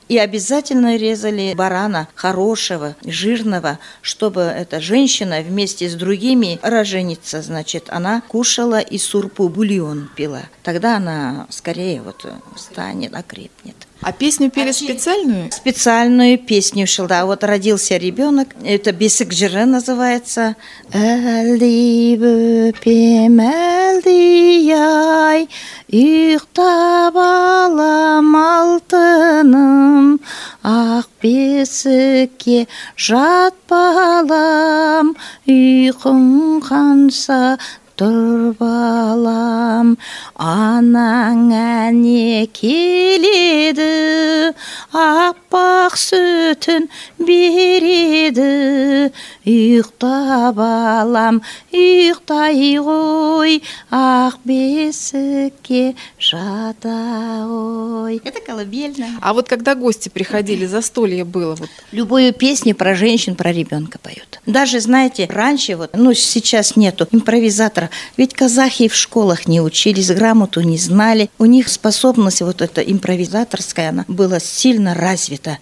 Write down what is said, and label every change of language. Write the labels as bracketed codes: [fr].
[ru] И обязательно резали барана хорошего, жирного, чтобы это женщина вместе с другими роженица, значит, она кушала и сурпу, бульон пила. Тогда она скорее вот встанет, окрепнет. А песню пели вообще специальную? Специальную песню шилда. Вот родился ребенок, это «Бесик жире» называется. [kk] «Али бөпем, али яй, ұйықтабалам алтыным, ақ бесікке жатпалам, ұйқың қанса тұр балам, анаң әне келеді, аппақ сүтін береді, ұйықта балам, ұйықтай ғой, ақ бесікке жата ғой. [ru] Это колыбельная. А вот когда гости приходили, застолье было? Вот. Любую песню про женщин, про ребенка поют. Даже, знаете, раньше, вот, ну, сейчас нету импровизатора. Ведь казахи в школах не учились, грамоту не знали. У них способность вот эта импровизаторская, она была сильно развита.